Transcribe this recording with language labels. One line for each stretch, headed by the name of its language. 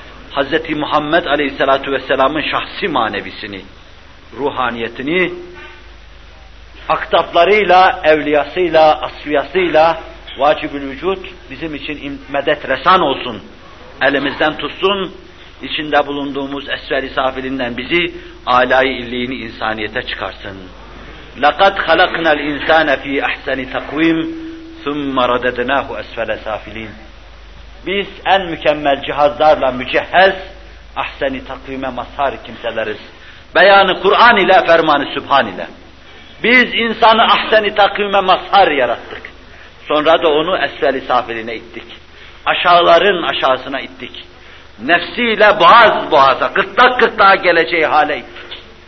Turkish: Hazreti Muhammed aleyhissalatu vesselamın şahsi manevisini, ruhaniyetini, aktaplarıyla, evliyasıyla, asfiyasıyla, vacibül vücut bizim için medet resan olsun. Elimizden tutsun, içinde bulunduğumuz esrar-ı safilinden bizi âlâ-i illiğini insaniyete çıkarsın.
Arabic: لَقَدْ خَلَقْنَا الْاِنْسَانَ ف۪ي اَحْسَنِ تَقْو۪يمٍ ثُمَّ رَدَدْنَاهُ اَسْفَلَ سَافِل۪ينَ
Turkish: Biz en mükemmel cihazlarla mücehhez, ahsen-i takvime mazhar kimseleriz. Beyanı Kur'an ile, ferman-ı Sübhan ile. Biz insanı ahsen-i takvime mazhar yarattık. Sonra da onu esrar-ı safiline ittik. Aşağıların aşağısına ittik. Nefsiyle boğaz boğaza, gırtlak gırtlağa geleceği hale ittik.